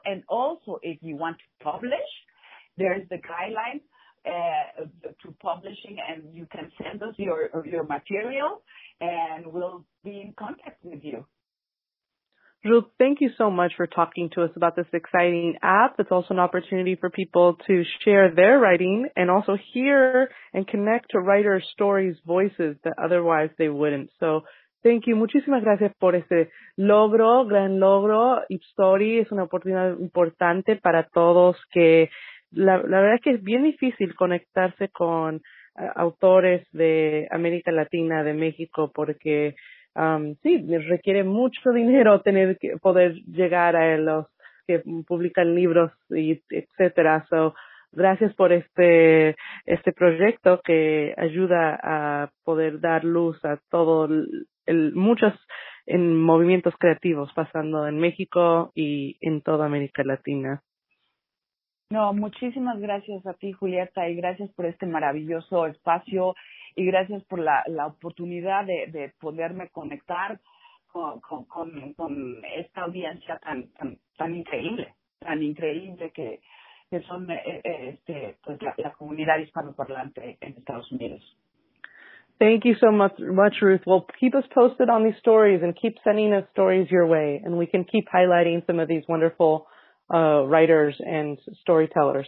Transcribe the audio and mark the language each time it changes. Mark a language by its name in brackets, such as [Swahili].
[English] And also, if you want to publish, there's the guideline to publishing, and you can send us your material, and we'll be in contact with you. Ruth, thank you so much for talking to us about this exciting app. It's also an opportunity for people to share their writing and also hear and connect to writers' stories, voices that otherwise they wouldn't. So thank you. [Spanish] Muchísimas gracias por este logro, gran logro. Ipstori es una oportunidad importante para todos, que la verdad es que es bien difícil conectarse con autores de América Latina, de México, porque sí, requiere mucho dinero tener que poder llegar a los que publican libros, y etcétera. So, gracias por este proyecto que ayuda a poder dar luz a todo muchos en movimientos creativos pasando en México y en toda América Latina. No, muchísimas gracias a ti, Julieta, y gracias por este maravilloso espacio. Y gracias por la oportunidad de poderme conectar con esta audiencia tan increíble, tan increíble que son la comunidad hispanoparlante en Estados Unidos. [English] Thank you so much, Ruth. Well, keep us posted on these stories and keep sending us stories your way, and we can keep highlighting some of these wonderful writers and storytellers.